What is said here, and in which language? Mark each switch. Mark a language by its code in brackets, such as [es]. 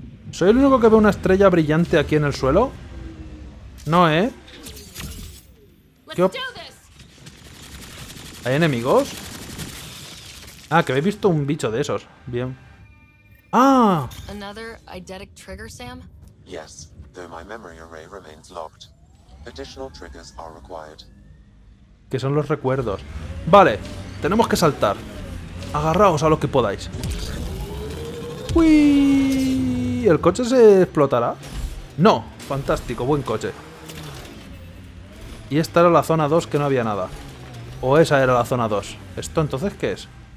[es] ¿Soy el único que ve una estrella brillante aquí en el suelo? No, ¿eh? ¿Hay enemigos? Ah, que he visto un bicho de esos. Bien. [en] ¡Ah! Another eidetic trigger, Sam? Yes, though my memory array remains locked. Additional triggers are required. [es] ¿Qué son los recuerdos? Vale, tenemos que saltar. Agarraos a lo que podáis. ¡Uy! ¿Y el coche se explotará? No, fantástico, buen coche. Y esta era la zona 2 que no había nada. O esa era la zona 2. ¿Esto entonces qué es?